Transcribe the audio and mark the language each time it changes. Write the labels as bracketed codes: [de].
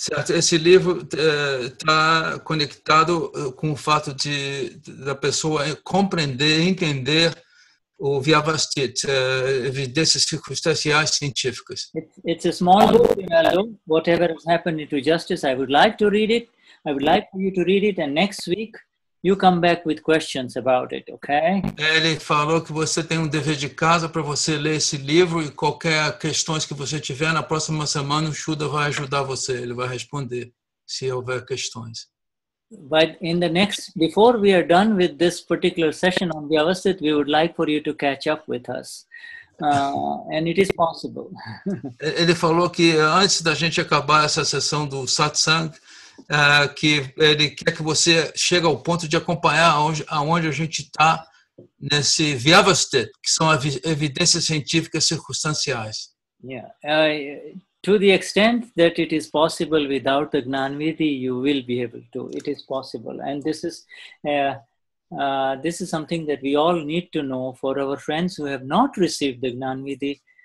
[pt] Esse livro está conectado com o fato de da pessoa compreender, entender o Vyavasthita, evidências circunstanciais científicas. [en] It's a small book, Whatever has happened into justice. I would like to read it. I would like for you to read it, and next week. You come back with questions about it, okay? [pt] Ele falou que você tem um dever de casa para você ler esse livro e qualquer questões que você tiver na próxima semana, o Shuddha vai ajudar você. Ele vai responder se houver questões. [en] But in the next, before we are done with this particular session on the Vyavasthita, we would like for you to catch up with us. And it is possible. [pt] Ele falou que antes da gente acabar essa sessão do satsang, que ele quer que você chegue ao ponto de acompanhar aonde a gente está nesse Vyavasthita, que são evidências científicas circunstanciais. [en] Yeah. To the extent that it is possible without the Gnanvidhi, you will be able to. It is possible. And this is something that we all need to know for our friends who have not received the Gnanvidhi.